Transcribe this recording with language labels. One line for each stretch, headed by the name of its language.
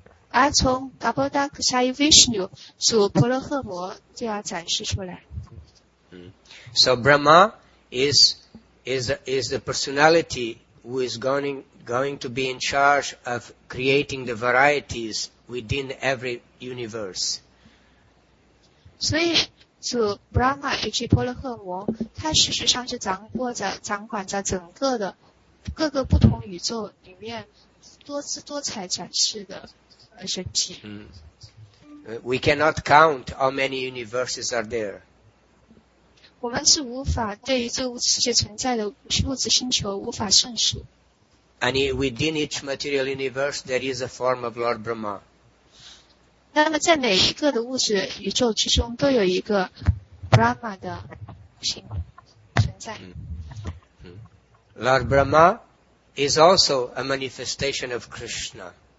Chinese: 而从 Garbhodakshaya Vishnu, 主婆罗诃摩就要展示出来。
English: So Brahma is the personality who is going to be in charge of creating the varieties within every universe. So
Chinese: Brahma, 以及婆罗诃摩，他事实上是掌管着整个的各个不同宇宙里面多姿多彩展示的神奇。
English: We cannot count how many universes are there.
Chinese: 我们是无法对于这物质世界存在的物质星球无法算数。
English: And within each material universe, there is a form of Lord Brahma.
Chinese: 那么在每一个的物质宇宙之中，都有一个 Brahma 的存在。
English: Lord Brahma is also a manifestation of Krishna.